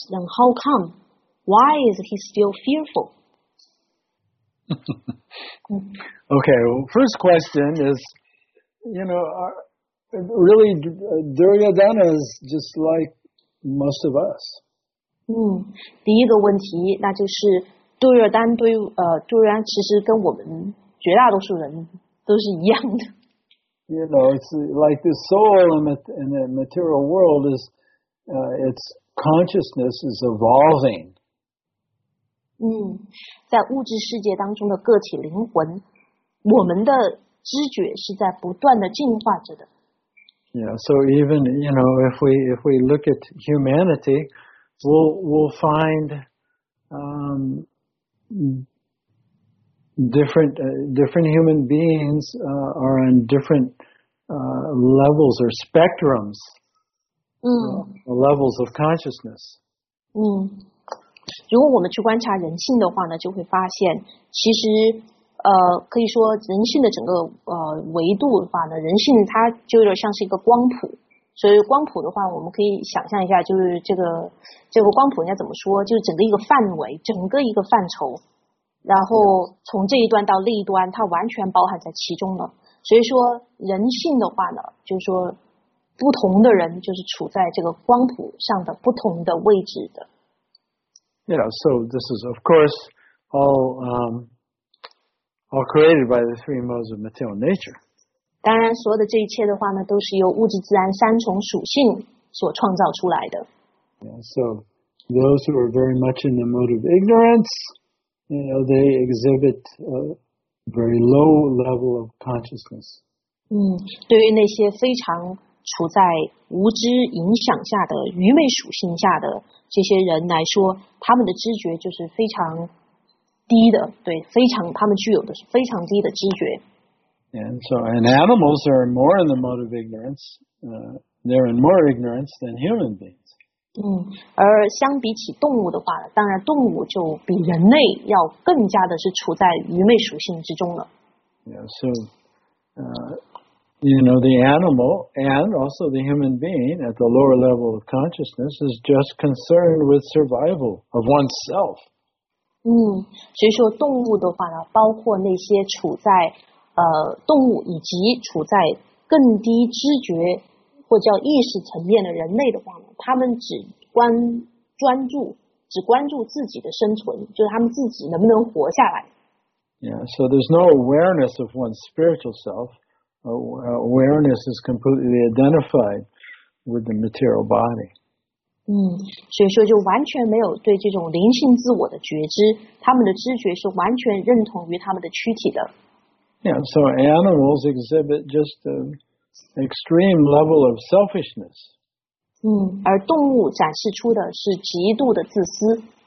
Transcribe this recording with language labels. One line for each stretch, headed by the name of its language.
English: Then how come? Why is he still fearful? Okay, well, first question is, you know, Duryodhana is just like most of us.
Chinese: 第一个问题，那就是杜若丹对杜若丹其实跟我们绝大多数人。都是一样的。
English: You know, it's like the soul in the material world is, its consciousness is evolving.
Chinese: 在物质世界当中的个体灵魂，我们的知觉是在不断的进化着的。
English: Yeah, so even, you know, if we look at humanity, we'll find, different human beings are on different levels or spectrums, levels of consciousness.
Chinese: 如果我们去观察人性的话呢，就会发现，其实可以说人性的整个维度的话呢，人性它就有点像是一个光谱。所以光谱的话，我们可以想象一下，就是这个光谱应该怎么说，就是整个一个范围，整个一个范畴。然后从这一端到另一端，它完全包含在其中了。所以说，人性的话呢，就是说，不同的人就是处在这个光谱上的不同的位置的。
English: Yeah, so this is of course all created by the three modes of material nature.
Chinese: 当然，所有的这一切的话呢，都是由物质自然三重属性所创造出来的。
English: Yeah, so those who are very much in the mode of ignorance. You know, they exhibit a very low level of consciousness.
Chinese: 对于那些非常处在无知影响下的愚昧属性下的这些人来说，他们的知觉就是非常低的，对，非常，他们具有的是非常低的知觉。
English: And so, and animals are more in the mode of ignorance, they're in more ignorance than human beings.
Chinese: 而相比起动物的话，当然动物就比人类要更加的是处在愚昧属性之中了。
English: Yeah, so, you know, the animal and also the human being at the lower level of consciousness is just concerned with survival of oneself.
Chinese: 所以说动物的话呢，包括那些处在动物以及处在更低知觉。或叫意识层面的人类的话呢，他们只关注自己的生存，就是他们自己能不能活下来。
English: Yeah, so there's no awareness of one's spiritual self. Awareness is completely identified with the material body.
Chinese: 所以说就完全没有对这种灵性自我的觉知，他们的知觉是完全认同于他们的躯体的。
English: Yeah, so animals exhibit just a extreme level of selfishness.
Chinese: 而动物展示出的是极度的自私。